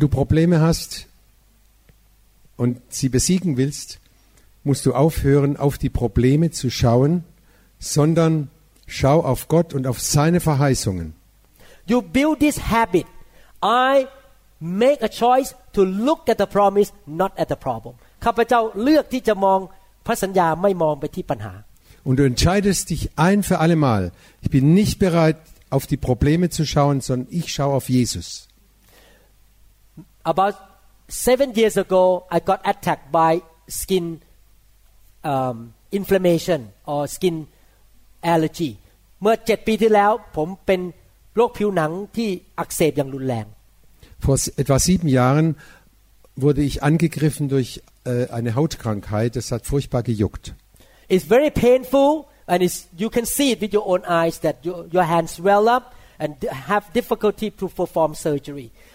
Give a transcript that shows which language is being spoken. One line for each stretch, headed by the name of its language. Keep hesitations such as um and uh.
German: du Probleme hast und sie besiegen willst, musst du aufhören, auf die Probleme zu schauen, sondern schau auf Gott und auf seine Verheißungen.
English: You build this habit. I make a choice to look at the promise, not at the problem.
Thai: ข้าพเจ้าเลือกที่จะมองพระสัญญาไม่มองไปที่ปัญหา
German: und du entscheidest dich ein für alle Mal, ich bin nicht bereit, auf die Probleme zu schauen, sondern ich schaue auf Jesus.
English: About seven years ago, I got attacked by skin um, inflammation or skin allergy.
Thai: เมื่อเจ็ดปีที่แล้วผมเป็นโรคผิวหนังที่อักเสบอย่างรุนแรง
German: Vor s- etwa sieben Jahren wurde ich angegriffen durch äh, eine Hautkrankheit. Das hat furchtbar gejuckt.
English: It's very painful, and you can see it with your own eyes that you, your hands swell up and have difficulty to perform surgery.